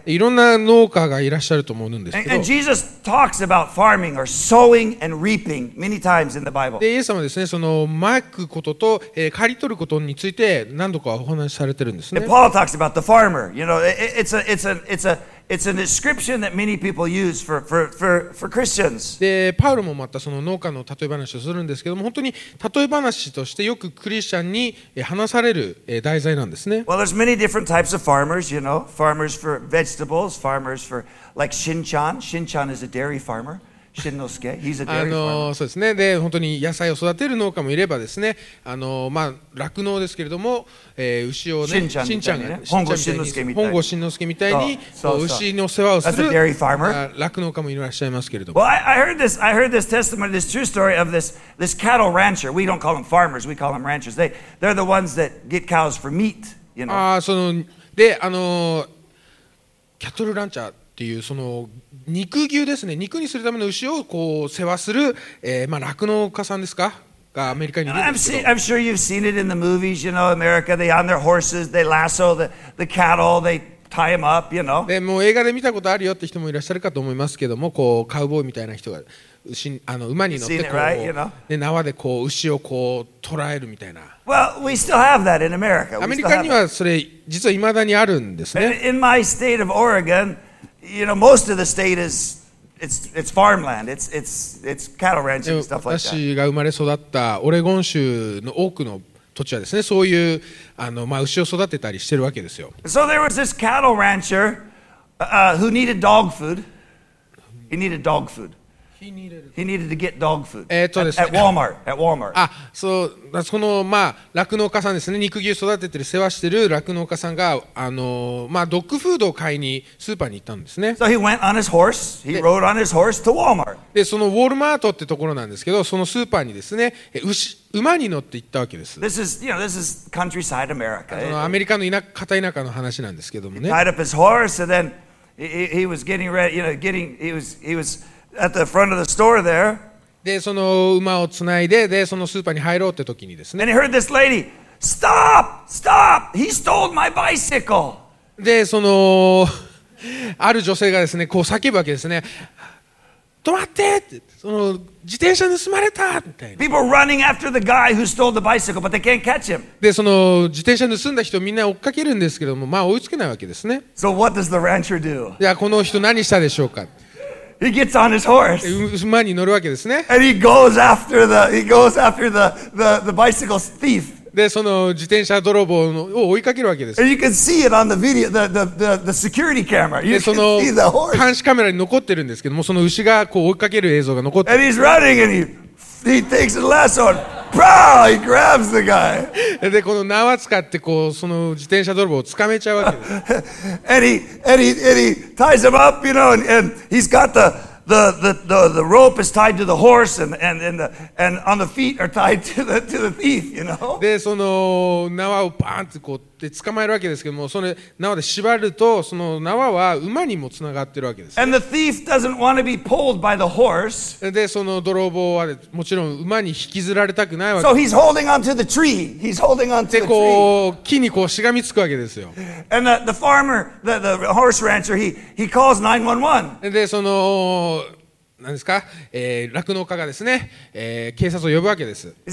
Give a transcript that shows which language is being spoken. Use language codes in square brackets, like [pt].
[ja] いろんな農家がいらっしゃると思うんですけど。 [en] And Jesus talks about farming or sowing and reaping many times in the Bible. [ja] で、イエス様はですね、そのまくことと、刈り取ることについて何度かお話しされてるんですね。 [en] Paul talks about the farmer. You know, it's a It's a description that many people use for Christians. [ja] で、パウロもまたその農家の例え話をするんですけども、本当に例え話としてよくクリスチャンに話される題材なんですね。 [en] Well, there's many different types of farmers, you know. Farmers for vegetables, farmers for like Shin-chan. Shin-chan is a dairy farmer. Shin-no-suke, he's a dairy farmer. [ja] そうですね。で、本当に野菜を育てる農家もいればですね、まあ酪農ですけれども、牛をね、 Shin-chan が、本郷Shin-no-suke みたいに、牛の世話をする酪農家もいらっしゃいますけれども。 [en] Well, I heard this testimony, this true story of this cattle rancher. We don't call them farmers, we call them ranchers. They're the ones that get cows for meat, you know. [ja] キャトルランチャーっていうその肉牛ですね。肉にするための牛をこう世話する、まあ酪農家さんですか？がアメリカにいるんですけど。 [en] I'm sure you've seen it in the movies, you know, America. They on their horses, they lasso the cattle, they tie them up, you know. [ja] でもう映画で見たことあるよって人もいらっしゃるかと思いますけども、こうカウボーイみたいな人が馬に乗ってこう、 [en] right? you know? [ja] で縄でこう牛をこう捕らえるみたいな。 [en] Well, we still have that in America. [ja] アメリカにはそれ実は未だにあるんですね。 [en] In my state of Oregon. You know, most of the state is farmland. It's cattle ranching and stuff like that. [ja] 私が生まれ育ったオレゴン州の多くの土地はですね、そういうまあ、牛を育てたりしてるわけですよ。 [en] So there was this cattle rancher, who needed dog food. He needed dog food. He needed to get dog food. At Walmart. [ja] あ、そう、その、まあ、酪農家さんですね。肉牛育ててる、世話してる酪農家さんが、まあ、ドッグフードを買いにスーパーに行ったんですね。 [en] So he went on his horse. He rode on his horse to Walmart. [ja] で、そのウォルマートってところなんですけど、そのスーパーにですね、馬に乗って行ったわけです。 [en] This is, you know, this is countryside America. [ja] アメリカの片田舎の話なんですけどもね。 [en] He tied up his horse and then he was getting ready, you know, getting, he was,At the front of the store there. [ja] で、その馬をつないで、で、そのスーパーに入ろうって時にですね。 [en] And he heard this lady, stop! Stop! He stole my bicycle! [ja] で、その、ある女性がですね、こう叫ぶわけですね。止まってって、その、自転車盗まれたみたいな。 [en] People running after the guy who stole the bicycle, but they can't catch him. [ja] で、その、自転車盗んだ人みんな追っかけるんですけども、まあ追いつけないわけですね。 [en] So what does the rancher do? [ja] じゃあ、この人何したでしょうか。 [en] He gets on his horse. [ja] 馬に乗るわけですね。 [en] And he goes after the bicycle thief. [ja] で、その自転車泥棒を追いかけるわけです。 [en] And you can see it on the video, the security camera. You can see the horse. [ja] 監視カメラに残ってるんですけども、その牛がこう追いかける映像が残ってる。 [en] And he's running and he takes the last one. Pow! He grabs the guy. [ja] で、この縄使ってこうその自転車泥棒を掴めちゃうわけです。 [en] and he ties him up, you know, and he's got the rope is tied to the horse, and on the feet are tied to the thief, you know. [ja] で、その縄をバーンってこうって捕まえるわけですけども、その縄で縛ると、その縄は馬にもつながってるわけです、ね。 [en] And the thief doesn't want to be pulled by the horse. [ja] で、その泥棒はもちろん馬に引きずられたくないわけです。 [en] So he's holding onto the tree. He's holding onto the tree. [ja] で、こう木にこうしがみつくわけですよ。 [en] And the farmer, the horse rancher, he calls 911. [ja] で、その何ですか、酪農家がですね、警察を呼ぶわけです。